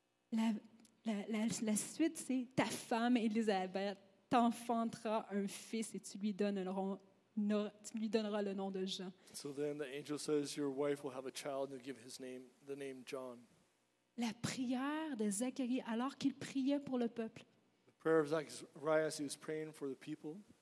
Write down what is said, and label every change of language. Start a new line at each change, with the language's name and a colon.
French: La suite, c'est ta femme, Élisabeth, t'enfantera un fils et tu lui donneras le nom de Jean.
English: So then the angel says, your wife will have a child and you'll give his name, the name John.
French: La prière de Zacharie alors qu'il priait pour le peuple.
English: The prayer of Zacharias as he was praying for the people.